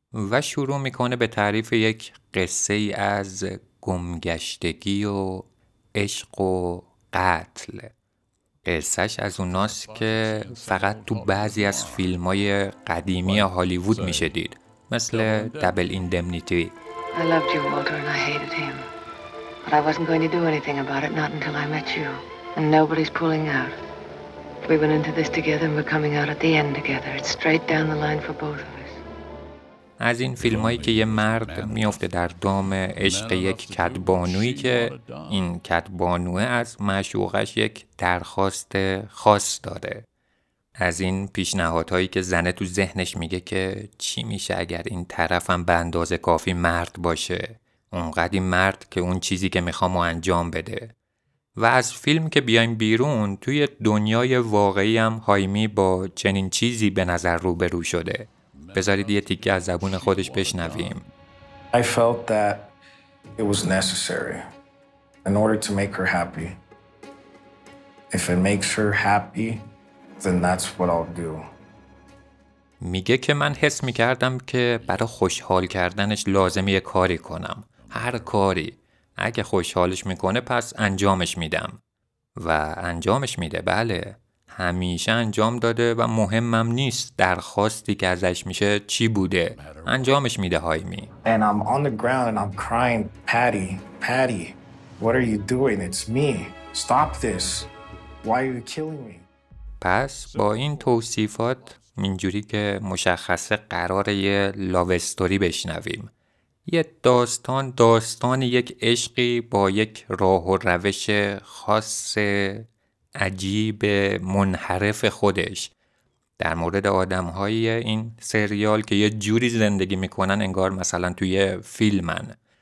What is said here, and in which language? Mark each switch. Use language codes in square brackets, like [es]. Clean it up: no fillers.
[fa] و شروع میکنه به تعریف یک قصه از گمگشتگی و عشق و قتل. قصهش از اوناست که فقط تو بعضی از فیلم های قدیمی هالیوود میشه دید، مثل دبل ایندمنیتی. [en] I loved you, Walter, and I hated him. But I wasn't going to do anything about it, not until I met you. And nobody's pulling out. We went into this together and we're coming out at the end together. It's straight down the line for both of us. [fa] از این فیلم هایی که یه مرد میفته در دام عشق یک کدبانویی که این کدبانوه از معشوقش یک درخواست خاص داره. از این پیشنهادهایی که زنه تو ذهنش میگه که چی میشه اگر این طرفم به اندازه کافی مرد باشه، اونقدی مرد که اون چیزی که میخوامو انجام بده. و از فیلم که بیایم بیرون، توی دنیای واقعی هم هایمی با چنین چیزی به نظر روبرو شده. بذارید یه تیکه از زبون خودش بشنویم. [en] I felt that it was necessary in order to make her happy. If it makes her happy, then that's what I'll do. [fa] میگه که من حس میکردم که برای خوشحال کردنش لازمه یه کاری کنم، هر کاری، اگه خوشحالش میکنه پس انجامش میدم. و انجامش میده، بله، همیشه انجام داده. و مهمم نیست درخواستی که ازش میشه چی بوده، انجامش میده هایمی. [en] And I'm on the ground and I'm crying, Patty, Patty, what are you doing? It's me. Stop this. Why are you killing me? [fa] پس با این توصیفات اینجوری که مشخصه قراره یه لاو استوری بشنویم، یه داستان، داستان یک عشقی با یک راه و روش خاص عجیب منحرف خودش، در مورد آدم‌های این سریال که یه جوری زندگی میکنن انگار مثلا توی فیلمن.